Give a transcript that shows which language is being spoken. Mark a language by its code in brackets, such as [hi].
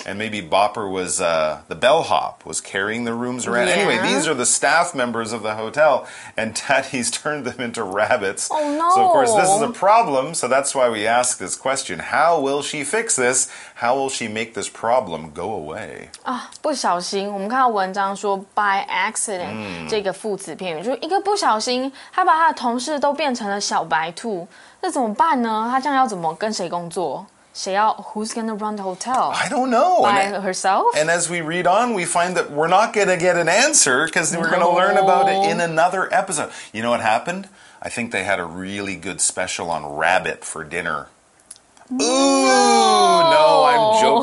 [en] And maybe Bopper was the bellhop, was carrying the rooms around. Yeah. Anyway, these are the staff members of the hotel. And Tati's turned them into rabbits. Oh, no. So, of course, this is a problem. So that's why we ask this question. How will she fix this? How will she make this problem go away? [zh] 不小心。我们看到文章说 [en] by accident, [zh] 这个副词片语。就一个不小心，他把他的同事都变成了小白兔，那怎么办呢？他这样要怎么跟谁工作？ [en] Who's going to run the hotel? I don't know. By herself? And as we read on, we find that we're not going to get an answer because we're going to learn about it in another episode. You know what happened? I think they had a really good special on rabbit for dinner. No,